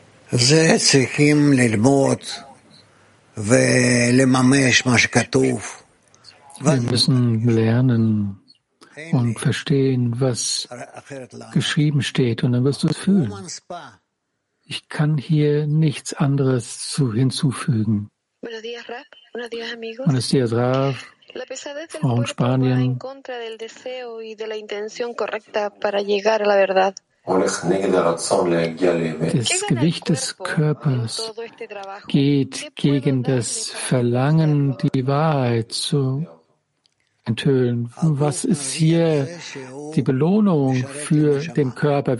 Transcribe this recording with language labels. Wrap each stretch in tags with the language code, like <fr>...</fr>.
<he>זה צריכים ללמוד ולממש מה שכתוב.</he> <de>Wir müssen lernen und verstehen, was geschrieben steht, und dann wirst du es fühlen. Ich kann hier nichts anderes hinzufügen.</de> <es>Buenos días, Raf. La pesadez del cuerpo va en contra del deseo y de la intención correcta para llegar a la verdad.</es> <de>Das Gewicht des Körpers geht gegen das Verlangen, die Wahrheit zu enthüllen. Was ist hier die Belohnung für den Körper?</de>